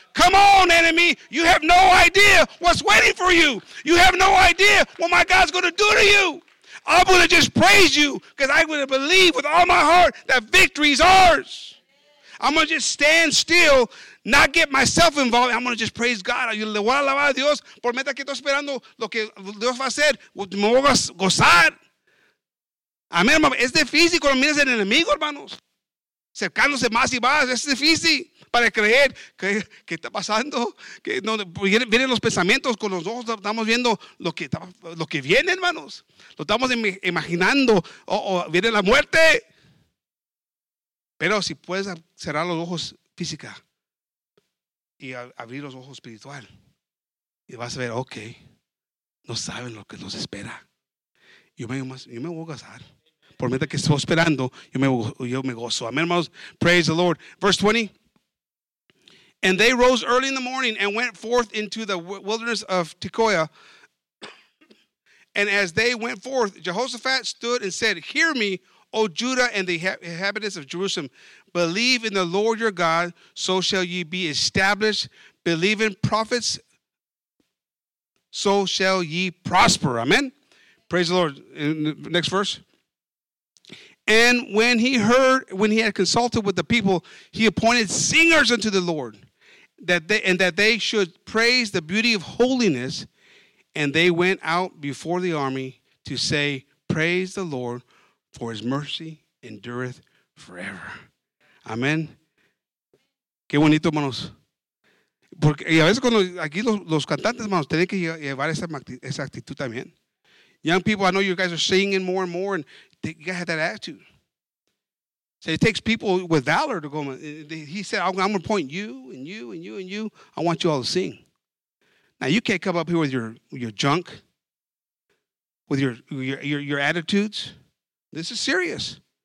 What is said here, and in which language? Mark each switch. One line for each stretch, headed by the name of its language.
English: Come on, enemy. You have no idea what's waiting for you. You have no idea what my God's going to do to you. I'm going to just praise you because I'm going to believe with all my heart that victory's ours. I'm going to just stand still, not get myself involved. I'm going to just praise God.
Spanish: Yo le voy a alabar a Dios por meta que estoy esperando lo que Dios va a hacer. Me voy a gozar. Amén, hermano. Es difícil cuando miras el enemigo, hermanos. Cercándose más y más. Es difícil para creer. ¿Qué está pasando? Que no, vienen los pensamientos con los ojos. Estamos viendo lo que viene, hermanos. Lo estamos imaginando. Viene la muerte. Pero si puedes cerrar los ojos física y abrir los ojos espiritual, y vas a ver, ok, no saben lo que nos espera. Yo me voy a gozar. Por meta que estoy esperando, yo me gozo. Amén, hermanos.
English: Praise the Lord. Verse 20. And they rose early in the morning and went forth into the wilderness of Tekoa. And as they went forth, Jehoshaphat stood and said, hear me, O Judah and the inhabitants of Jerusalem, believe in the Lord your God, so shall ye be established. Believe in prophets, so shall ye prosper. Amen. Praise the Lord. Next verse. And when he heard, when he had consulted with the people, he appointed singers unto the Lord, that they should praise the beauty of holiness. And they went out before the army to say, praise the Lord. For his mercy endureth forever. Amén.
Spanish: Qué bonito, hermanos. Porque, y a veces cuando aquí los cantantes, hermanos, tienen que llevar esa actitud también.
English: Young people, I know you guys are singing more and more, and you guys have that attitude. So it takes people with valor to go. He said, I'm going to point you and you and you and you. I want you all to sing. Now, you can't come up here with your junk, with your attitudes. This is serious.